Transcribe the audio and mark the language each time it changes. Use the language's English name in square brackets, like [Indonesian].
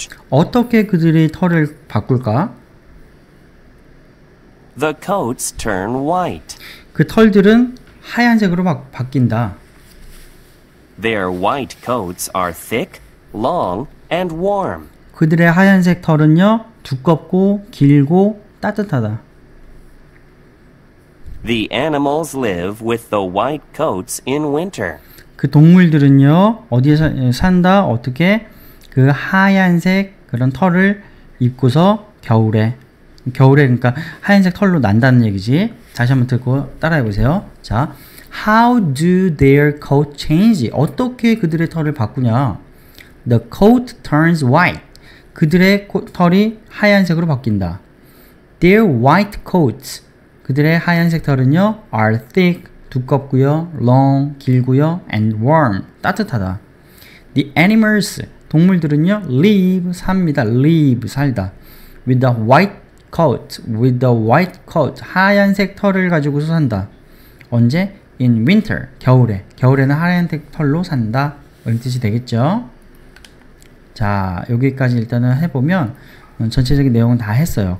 [Korean] 어떻게 그들이 털을 바꿀까? [English] The coats turn white. [Korean] 그 털들은 하얀색으로 바뀐다. [English] Their white coats are thick, long, and warm. [Korean] 그들의 하얀색 털은요, 두껍고 길고 따뜻하다. [English] The animals live with the white coats in winter. [Korean] 그 동물들은요, 어디에서 산다? 어떻게? 그 하얀색 그런 털을 입고서 겨울에. 겨울에, 그러니까 하얀색 털로 난다는 얘기지. 다시 한번 듣고 따라해 보세요. [English] 자, How do their coat change? [Korean] 어떻게 그들의 털을 바꾸냐? [English] The coat turns white. [Korean] 그들의 털이 하얀색으로 바뀐다. [English] Their white coats. [Korean] 그들의 하얀색 털은요, [English] are thick. [Korean] 두껍고요, long, 길고요, [English] and warm, [Korean] 따뜻하다. [English] The animals, [Korean] 동물들은요, [English] live, [Korean] 삽니다. [English] live, [Korean] 살다. [English] With the white coat, with the white coat, [Korean] 하얀색 털을 가지고 산다. 언제? [English] In winter, [Korean] 겨울에. 겨울에는 하얀색 털로 산다. 이런 뜻이 되겠죠? 자, 여기까지 일단은 해보면 전체적인 내용은 다 했어요.